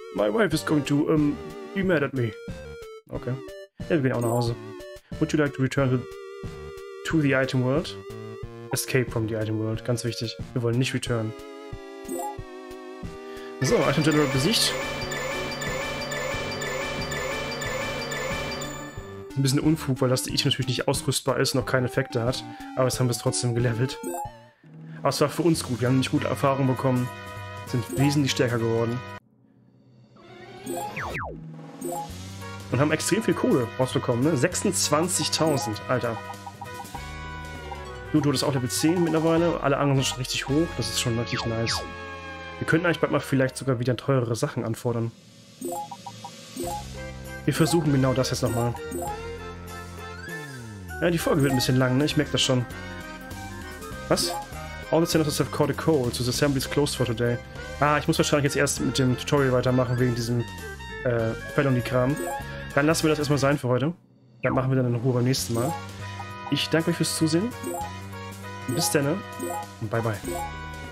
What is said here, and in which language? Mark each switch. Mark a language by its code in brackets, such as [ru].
[en] My wife is going to be mad at me. [de] Okay. Ja, wir gehen auch nach Hause. [en] Would you like to return to the item world? Escape from the item world. [de] Ganz wichtig. Wir wollen nicht return. So, Item General besiegt. Ein bisschen Unfug, weil das Item natürlich nicht ausrüstbar ist, noch keine Effekte hat. Aber jetzt haben wir es trotzdem gelevelt. Aber es war für uns gut. Wir haben nicht gute Erfahrungen bekommen. Sind wesentlich stärker geworden. Und haben extrem viel Kohle rausbekommen, ne? 26.000, Alter. Ludo ist auch Level 10 mittlerweile. Alle anderen sind schon richtig hoch. Das ist schon wirklich nice. Wir könnten eigentlich bald mal vielleicht sogar wieder teurere Sachen anfordern. Wir versuchen genau das jetzt nochmal. Ja, die Folge wird ein bisschen lang, ne? Ich merke das schon. Was? [en] All the senators have caught a cold, so the assembly is closed for today. [de] Ah, ich muss wahrscheinlich jetzt erst mit dem Tutorial weitermachen, wegen diesem Felony-Kram. Dann lassen wir das erstmal sein für heute. Dann machen wir dann in Ruhe beim nächsten Mal. Ich danke euch fürs Zusehen. Bis dann und bye bye.